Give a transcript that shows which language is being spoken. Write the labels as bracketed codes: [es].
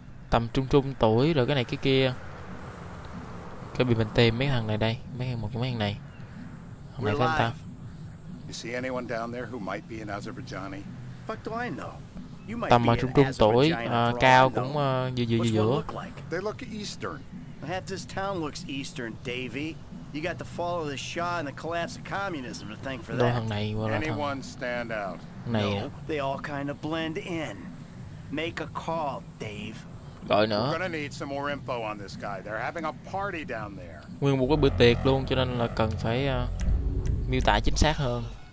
[vi] Tầm trung trung tuổi rồi cái này cái kia. Cái bị mình tìm mấy thằng này đây, mấy thằng một cái mấy thằng này. Hôm nay anh ta. [en] You see anyone down there who might be an Azerbaijani? Fuck do I know? You might be [vi] trung trung tuổi, cao cũng giữa. [en] They look eastern. Half this town looks eastern, Davey. You got to follow the Shah and the collapse of communism to thank for that. Anyone stand out? No. They all kind of blend in. Make a call, Dave. [vi] Gọi nữa. [en] We're gonna need some more info on this guy. They're having a party down there. [vi] Nguyên một cái bữa tiệc luôn, cho nên là cần phải miêu tả chính xác hơn.